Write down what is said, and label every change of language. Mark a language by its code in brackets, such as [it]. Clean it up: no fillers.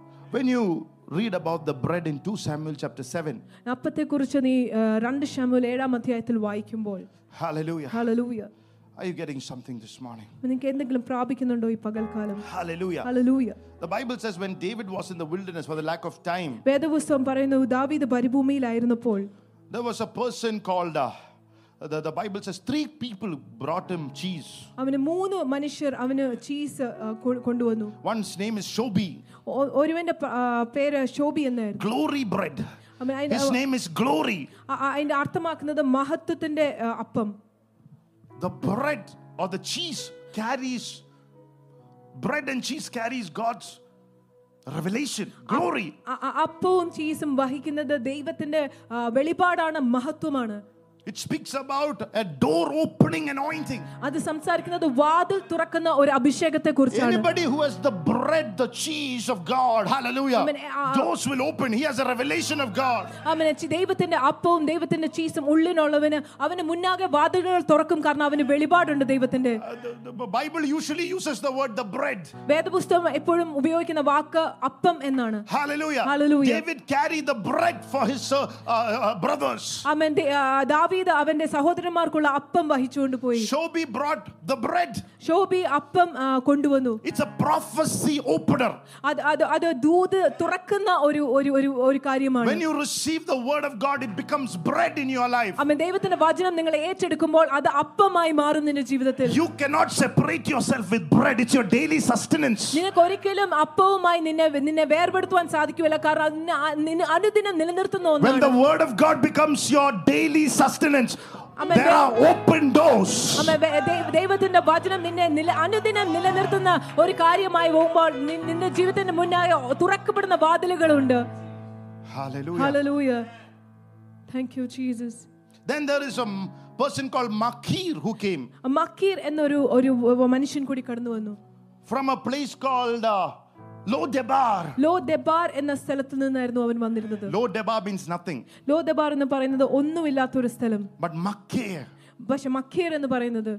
[en] When you read about the bread in 2 Samuel chapter 7. [ml] അപ്പത്തെ കുറിച്ച് നീ 2 ശമൂവേൽ 7 അധ്യായത്തിൽ വായിക്കുമ്പോൾ. [en] Hallelujah. Hallelujah. Are you getting something this morning? [ml] നിങ്ങൾക്ക് എന്തെങ്കിലും പ്രാപിക്കുന്നുണ്ടോ ഈ പകൽക്കാലം? [en] Hallelujah. Hallelujah. The Bible says when David was in the wilderness for the lack of time. [ml] വേദപുസ്തകം പറയുന്നു ദാവീദ് പരിഭൂമിയിൽ ആയിരുന്നപ്പോൾ. [en] There was a person called the Bible says three people brought him cheese. [ml] അവനെ മൂന്ന് മനുഷ്യർ അവനെ ചീസ് കൊണ്ടുവന്നു. [en] One's name is Shobi. [ml] ഒരുവന്റെ പേര് ഷോബി എന്നായിരുന്നു. [en] Glory bread. His name is glory. [ml] അതിന്റെ അർത്ഥമാക്കുന്നത് മഹത്വത്തിന്റെ അപ്പം. [en] The bread or the cheese carries bread and cheese carries God's revelation glory. [ml] അപ്പവും ചീസും വഹിക്കുന്നത് ദൈവത്തിന്റെ വെളിപാടാണ് മഹത്വമാണ്. [en] It speaks about a door opening anointing. [ml] അത് സംസാരിക്കുന്നത് വാതിൽ തുറക്കുന്ന ഒരു അഭിഷേകത്തെ കുറിച്ചാണ്. [en] Anybody who has the bread the cheese of God, hallelujah, doors will open. He has a revelation of God. [ml] അവനെ ദൈവത്തിന്റെ അപ്പവും ദൈവത്തിന്റെ ചീസും ഉള്ളിലുള്ളവന് അവനെ മുന്നാകെ വാതിലുകൾ തുറക്കും, കാരണം അവന് വെളിപാടുണ്ട് ദൈവത്തിന്റെ. [en] The Bible usually uses the word the bread. [ml] വേദപുസ്തകം എപ്പോഴും ഉപയോഗിക്കുന്ന വാക്ക് അപ്പം എന്നാണ്. [en] Hallelujah. Hallelujah. David carried the bread for his brothers. [ml] അവന്റെ ദാവീദ് അവന്റെ സഹോദരന്മാർക്കുള്ള അപ്പം വഹിച്ചുകൊണ്ട് പോയി. [en] Shobi brought the bread. [ml] Shobi അപ്പം കൊണ്ടുവന്നു. [en] It's a prophecy opener. [ml] അത് ദൂത് തുറക്കുന്ന ഒരു ഒരു കാര്യമാണ്. [en] When you receive the word of God it becomes bread in your life. [ml] അമ്മേ ദൈവത്തിന്റെ വചനം നിങ്ങൾ ഏറ്റെടുക്കുമ്പോൾ അത് അപ്പമായി മാറുന്നു നിന്റെ ജീവിതത്തിൽ. [en] You cannot separate yourself with bread. It's your daily sustenance. [ml] നിങ്ങൾക്ക് ഒരിക്കലും അപ്പവുമായി നിന്നെ വേർപെടുത്തുവാൻ സാധിക്കില്ല, കാരണം നിന്നെ അനുദിനം നിലനിർത്തുന്ന ഒന്നാണ്. [en] When the word of God becomes your daily sustenance, there are open doors. [ml] ദൈവത്തിന്റെ വചനം നിന്നെ അനുദിനം നിലനിർത്തുന്ന ഒരു കാര്യമായി പോകുമ്പോൾ നിന്റെ ജീവിതത്തിന് മുന്നായി തുറക്കപ്പെടുന്ന വാതിലുകളുണ്ട്. [en] Hallelujah. Thank you, Jesus. Then there is a person called Makir who came. [ml] Makir എന്നൊരു ഒരു മനുഷ്യൻ കൂടി കടന്നു വന്നു. [en] From a place called [ml] Lo Debar എന്ന സ്ഥലത്തു നിന്നായിരുന്നു അവൻ വന്നിരുന്നത്. [en] Lo Debar means nothing. [ml] Lo Debar എന്ന് പറയുന്നത് ഒന്നുമില്ലാത്ത ഒരു സ്ഥലം. [en] But Makir. [ml] പക്ഷേ മക്കീർ എന്ന് പറയുന്നത്